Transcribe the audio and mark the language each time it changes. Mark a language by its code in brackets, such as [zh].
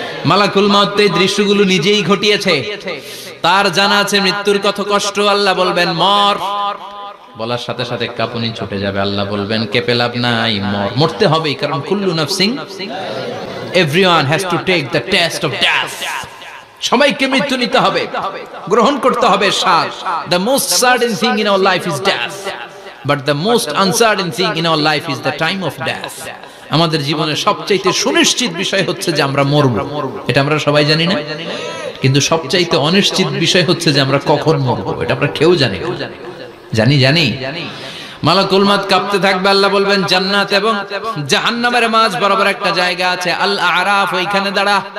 [bn] মালাকুল মাউত এই দৃশ্যগুলো নিজেই ঘটিয়েছে, তার জানা আছে মৃত্যুর কত কষ্ট। আল্লাহ বলবেন মর, বলার সাথে সাথে কাঁপুনি ছুটে যাবে। আল্লাহ বলবেন কেঁপে লাভ নাই, মর, মরতে হবেই, কারণ কুল্লু নাফসিং, [en] everyone has to take the test of death, [bn] সবাইকে মৃত্যু নিতে হবে, গ্রহণ করতে হবে শ্বাস। [en] The most certain thing in our life is death, but the most uncertain thing in our life is the time of death. [bn] আমাদের জীবনের সবচাইতে সুনিশ্চিত বিষয় হচ্ছে যে আমরা মরব, এটা আমরা সবাই জানি না, কিন্তু সবচাইতে অনিশ্চিত বিষয় হচ্ছে যে আমরা কখন মরব, এটা আমরা কেউ জানি না, জানি জানি। মালাকুল মাউত কাঁপতে থাকবে, আল্লাহ বলবেন জান্নাত এবং জাহান্নামের মাঝ বরাবর একটা জায়গা আছে, আল আরাফ, ওইখানে দাঁড়া।